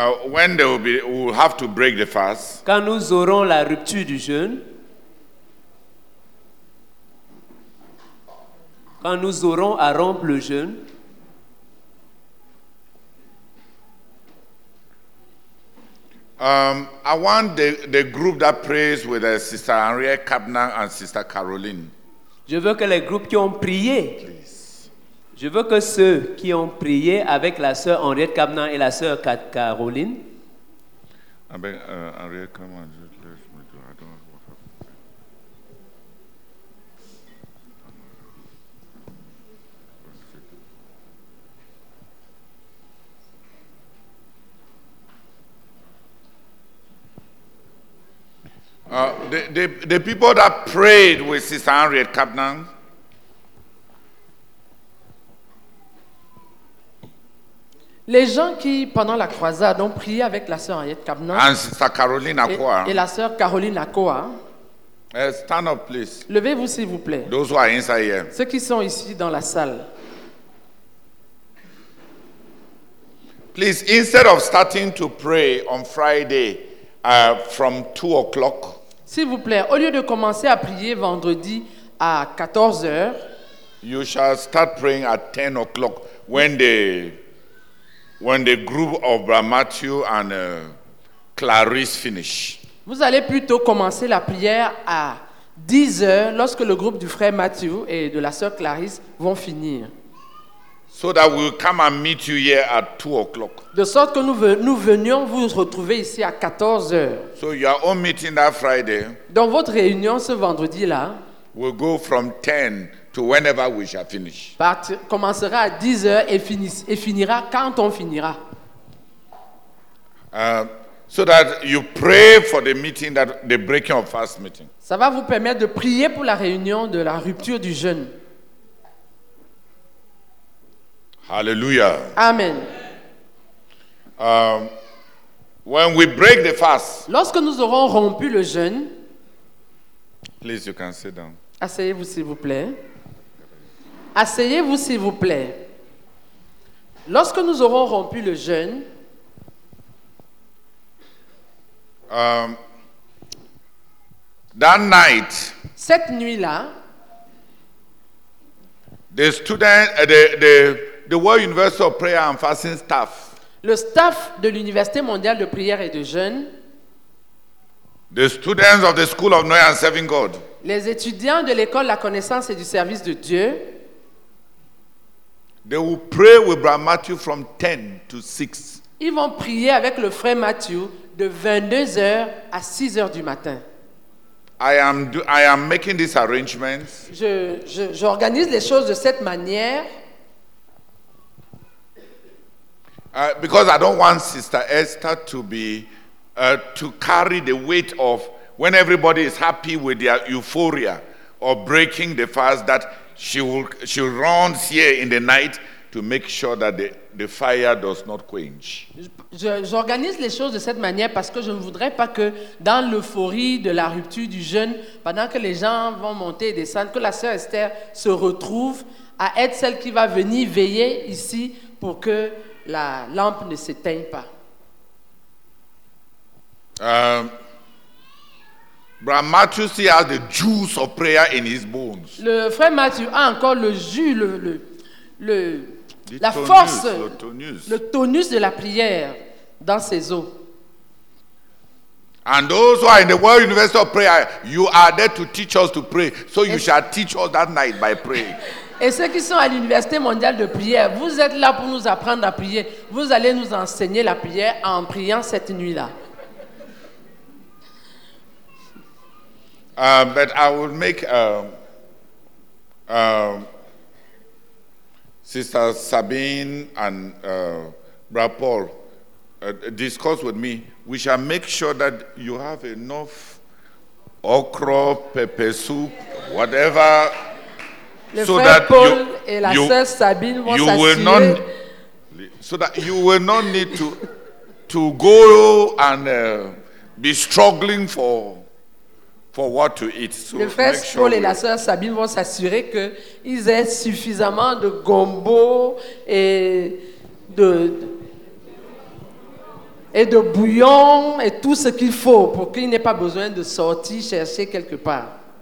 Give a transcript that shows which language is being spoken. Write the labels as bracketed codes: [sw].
[en] when they will be, we will have to break the fast. [fr] Quand nous aurons la rupture du jeûne, quand nous aurons à rompre le jeûne, [en] I want the group that prays with Sister Henriette Kapner and Sister Caroline. [fr] Je veux que les groupes qui ont prié, [en] please. [fr] Je veux que ceux qui ont prié avec la sœur Henriette Kapner et la sœur Caroline. Avec [en] Henriette Kapner, [fr] laisse-moi dire, [en] I don't know what happened. The people that prayed with Sister Henriette Kapner. [fr] Les gens qui, pendant la croisade, ont prié avec la sœur Henriette Kapner. [en] And Sister Caroline Akoa. [fr] Et la sœur Caroline Akoa. [en] Stand up, please. [fr] Levez-vous, s'il vous plaît. [en] Those who are inside here. [fr] Ceux qui sont ici dans la salle. [en] Please, instead of starting to pray on Friday from 2 o'clock. [fr] S'il vous plaît, au lieu de commencer à prier vendredi à 14 heures, [en] you shall start praying at 10 o'clock when the group of Brahmachu and Clarisse finish. [fr] Vous allez plutôt commencer la prière à 10 heures lorsque le groupe du frère Matthew et de la sœur Clarisse vont finir. [en] So that we will come and meet you here at 2 o'clock. [fr] De sorte que nous venions vous retrouver ici à 14 heures. [en] So your own meeting that Friday. [fr] Dans votre réunion ce vendredi là. [en] We'll go from 10 to whenever we shall finish. [fr] Commencera à 10 heures et finira quand on finira. [en] So that you pray for the meeting that the breaking of fast meeting. [fr] Ça va vous permettre de prier pour la réunion de la rupture du jeûne. Alléluia. Amen. [en] When we break the fast. [fr] Lorsque nous aurons rompu le jeûne. [en] Please, you can sit down. [fr] Asseyez-vous s'il vous plaît. Asseyez-vous s'il vous plaît. Lorsque nous aurons rompu le jeûne. [en] That night. [fr] Cette nuit-là. [en] The student, the World University of Prayer and Fasting staff. [fr] Le staff de l'Université mondiale de prière et de jeûne. [en] The students of the School of Knowing and Serving God. [fr] Les étudiants de l'école la connaissance et du service de Dieu. [en] They will pray with Brahmachu from 10 to 6. [fr] Ils vont prier avec le frère Matthew de 22h à 6h du matin. [en] I am making this arrangement. [fr] J'organise les choses de cette manière. [en] Because I don't want Sister Esther to carry the weight of when everybody is happy with their euphoria or breaking the fast, that she runs here in the night to make sure that the fire does not quench. [fr] J'organise les choses de cette manière parce que je ne voudrais pas que dans l'euphorie de la rupture du jeûne, pendant que les gens vont monter et descendre, que la sœur Esther se retrouve à être celle qui va venir veiller ici pour que la lampe ne s'éteigne pas. [en] Brother Matthew still has the juice of prayer in his bones. [fr] Le frère Matthew a encore le jus, le tonus de la prière dans ses os. [en] And those who are in the World University of Prayer, you are there to teach us to pray. So you shall teach us that night by praying. [fr] Et ceux qui sont à l'Université mondiale de prière, vous êtes là pour nous apprendre à prier. Vous allez nous enseigner la prière en priant cette nuit-là. [en] But I will make Sister Sabine and Brother Paul discuss with me. We shall make sure that you have enough okra, pepper soup, whatever. [fr] Le [en] so [fr] frère [en] that [fr] Paul et la sœur Sabine vont s'assurer. [en] So that you will not need to go and be struggling for what to eat. So [fr] le frère [en] make sure [fr] Paul et la sœur Sabine vont s'assurer que ils aient suffisamment de gombo et de bouillon et tout ce qu'il faut pour qu'il n'ait pas besoin de sortir chercher quelque part.